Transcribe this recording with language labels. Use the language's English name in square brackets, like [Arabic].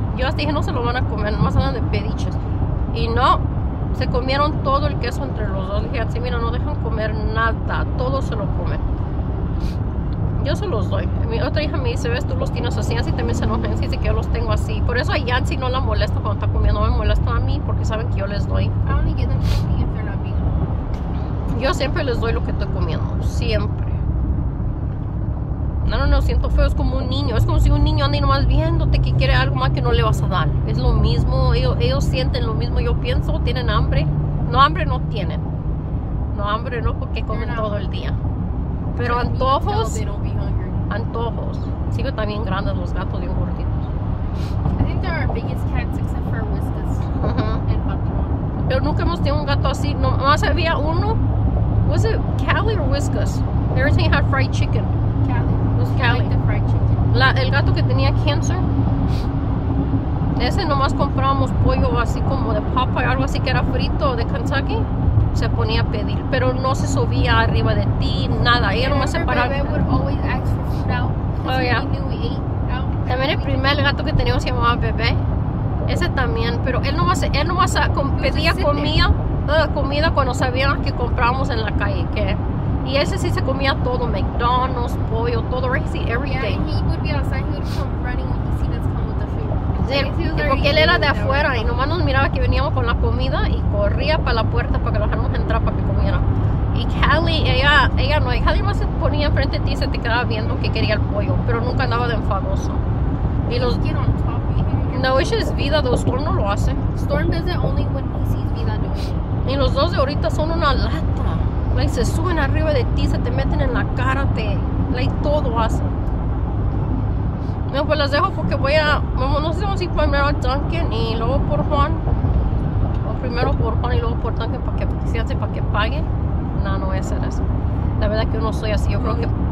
[Spanish] Yo hasta dije, no se lo van a comer, nomás andan de pediches. Y no, se comieron todo el queso entre los dos. Dije, así mira, no dejan comer nada, todo se lo comen. Yo se los doy. Mi otra hija me dice, ves, tú los tienes así. Yancy también se enoja. Yancy dice que yo los tengo así. Por eso a Yancy no la molesta cuando está comiendo. No me molesta a mí porque saben que yo les doy. [English] I only give them candy if they're not vegan. [Spanish] Yo siempre les doy lo que estoy comiendo. Siempre. No, no, siento feo. Es como un niño. Es como si un niño anda y nomás viéndote que quiere algo más que no le vas a dar. Es lo mismo. Ellos sienten lo mismo. Yo pienso, ¿tienen hambre? No, hambre no tienen. No, hambre no, porque comen no, todo el día. Pero antojos, antojos. Sí, pero también grandes los gatos y un gordito. [English] I think they're our biggest cats except for Whiskers and Patron. [Spanish] Pero nunca hemos tenido un gato así. No, más había uno. [English] Was it Cali or Whiskers? Everything had fried chicken. Cali. It was Cali. Like the fried chicken. [Spanish] La, el gato que tenía cancer. Ese nomás comprábamos pollo así como de Popeye, algo así que era frito de Kentucky. Se ponía a pedir, pero no se subía arriba de ti, nada. Ella no se paraba. [English] Bebé would always ask for food out. Oh, yeah. Knew we ate out. [Spanish] También el primer gato que teníamos se llamaba Bebé. Ese también, pero él nomás pedía comida, comida cuando sabía que comprábamos en la calle. ¿Qué? Y ese sí se comía todo, McDonald's, pollo, todo, right? [English] See, every yeah, day. Yeah, he would be outside, he would come running when he seen us come with the food. [Spanish] Sí, porque él era de afuera y nomás nos miraba que veníamos con la comida y corría para la puerta para que lo dejáramos entrar para que comiera. Y Callie, ella no, Callie más se ponía enfrente de ti y se te quedaba viendo que quería el pollo, pero nunca andaba de enfadoso. Y los. No, eso es vida, though. Storm no lo hace. [English] Storm does it only when he sees vida doing it. [Spanish] Y los dos de ahorita son una lata. Like, se suben arriba de ti, se te meten en la cara, te. Like, todo hace. No, pues las dejo porque voy a... No sé si vamos a ir primero a Duncan y luego por Juan. O primero por Juan y luego por Duncan para que se hace para que paguen. No, no voy a hacer eso. La verdad que yo no soy así. Yo creo que...